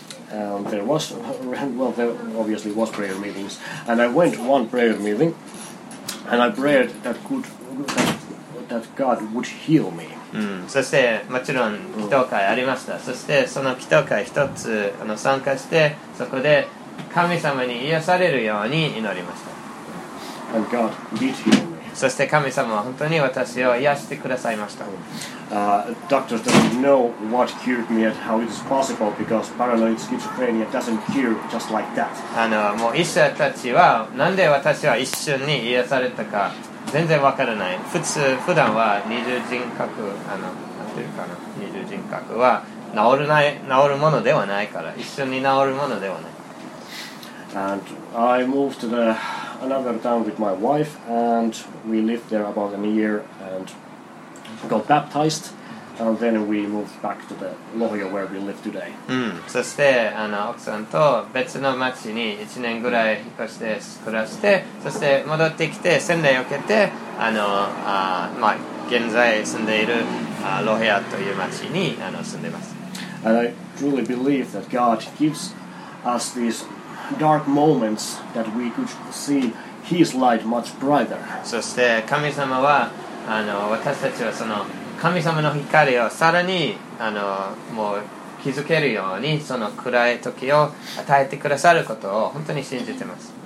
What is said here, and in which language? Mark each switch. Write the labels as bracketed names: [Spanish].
[English] There was, well, there obviously was prayer meetings, and I went one prayer meeting, and I prayed that God would heal me. [Japanese] そしてもちろん祈祷会ありました。そしてその祈祷会一つ参加して、そこで神様に癒されるように祈りました。 [English] And God did heal me. [Japanese] そして神様は本当に私を癒してくださいました。 [English] Doctors don't know what cured me and how it is possible because paranoid schizophrenia doesn't cure just like that. [Japanese] もう医者たちはなんで私は一瞬に癒されたか全然わからない。普段は二重人格、なんていうかな、二重人格は治るものではないから、一瞬に治るものではない。 [English] And I moved to theAnother town with my wife, and we lived there about a year and got baptized, and then we moved back to the Lohja where we live today. [Japanese] そして奥さんと別の町に1年ぐらい引っ越して暮らして、そして戻ってきて洗礼を受けて、現在住んでいるLohjaという町に住んでます。 [English] And I truly believe that God gives us thesedark moments that we could see his light much brighter. [Japanese] そして神様は私たちはその神様の光をさらにもう気づけるようにその暗い時を与えてくださることを本当に信じてます。